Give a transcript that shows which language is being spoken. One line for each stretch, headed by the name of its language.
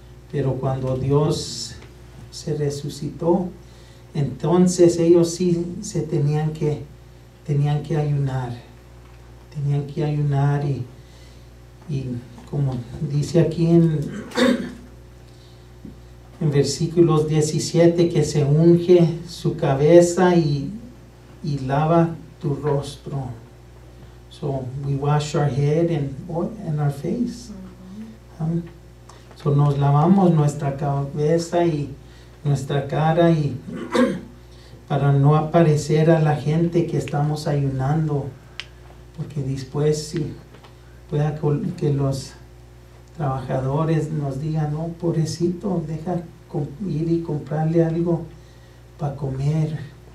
Spanish: Pero cuando Dios se resucitó, entonces ellos sí se tenían que ayunar. Tenían que ayunar y como dice aquí en versículos 17, que se unge su cabeza y lava tu rostro.
English: So we wash our head and our face. Mm-hmm.
Spanish: So nos lavamos nuestra cabeza y nuestra cara y para no aparecer a la gente que estamos ayunando, porque después si pueda que los trabajadores nos digan, no, pobrecito, deja ir y comprarle algo para comer.